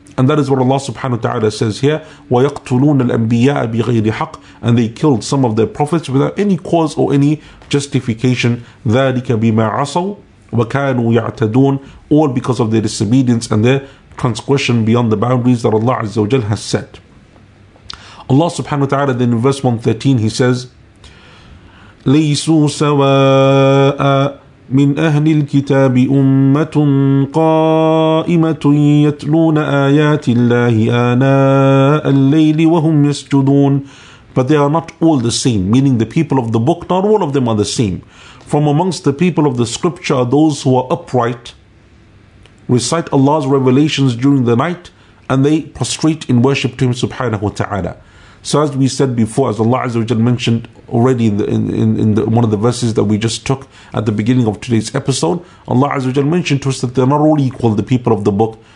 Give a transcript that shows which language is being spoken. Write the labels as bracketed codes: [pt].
[en] And that is what Allah subhanahu wa ta'ala says here, [ar] وَيَقْتُلُونَ الْأَنْبِيَاءَ بِغَيْرِ حَقٍّ. [en] And they killed some of their prophets without any cause or any justification. [ar] ذَلِكَ بِمَا عَصَوْا وَكَانُوا يَعْتَدُونَ. [en] All because of their disobedience and their transgression beyond the boundaries that Allah Azza wa Jal has set. Allah subhanahu wa ta'ala then in verse 113, he says, [ar] لَيْسُوا سَوَاءً مِنْ أَهْلِ الْكِتَابِ أُمَّةٌ قَائِمَةٌ يَتْلُونَ آيَاتِ اللَّهِ آنَاءَ اللَّيْلِ وَهُمْ يَسْجُدُونَ. [en] But they are not all the same, meaning the people of the book, not all of them are the same. From amongst the people of the scripture are those who are upright, recite Allah's revelations during the night, and they prostrate in worship to Him subhanahu wa ta'ala. So as we said before, as Allah Azza wa Jalla mentioned already in the one of the verses that we just took at the beginning of today's episode, Allah Azza wa Jalla mentioned to us that they're not all equal, the people of the book.